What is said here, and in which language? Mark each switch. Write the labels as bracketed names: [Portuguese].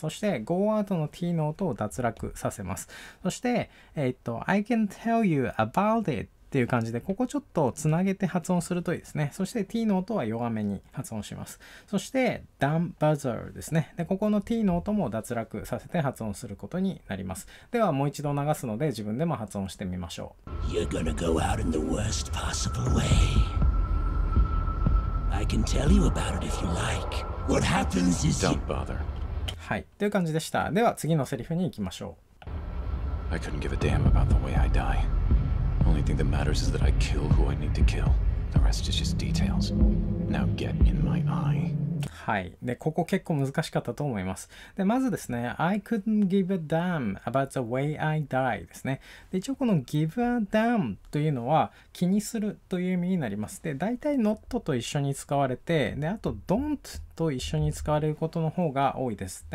[Japanese] そして go out の t の音を脱落させます。そして [English] I can tell you about it [Japanese] っていう感じで、ここちょっとつなげて発音するといいですね。そして T の音は弱めに発音します。そして [English] Don't bother [Japanese] ですね。で、ここの T の音も脱落させて発音することになります。ではもう一度流すので、自分でも発音してみましょう。 [English] You're gonna go out in the worst possible way. I can tell you about it if you like. What happens is Don't bother. [Japanese] はい、という感じでした。では次のセリフに行きましょう。 [English] I couldn't give a damn about the way I dieOnly thing that matters is that I kill who I need to kill. The rest is just details. Now get in my eye. はい。 [Japanese] で、ここ結構難しかったと思います。で、まずですね、 [English] I couldn't give a damn about the way I die [Japanese] ですね。で、一応この give a damn というのは気にするという意味になります。で、大体 not と一緒に使われて、で、あと don't と一緒に使われることの方が多いです。